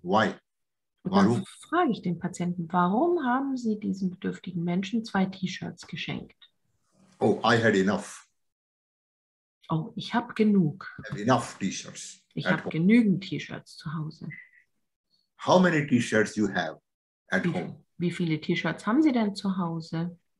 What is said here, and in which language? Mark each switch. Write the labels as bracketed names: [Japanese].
[English] Why? [German] Warum? Und dann frage ich den Patienten, warum haben Sie diesem bedürftigen Menschen zwei T-Shirts geschenkt? [English] Oh, I had enough. [German] Oh, ich habe genug. [English] Enough T-Shirts. [German] Ich habe genügend T-Shirts zu Hause. [English] How many T-Shirts you have at home? [German] Wie viele T-Shirts haben Sie denn zu Hause?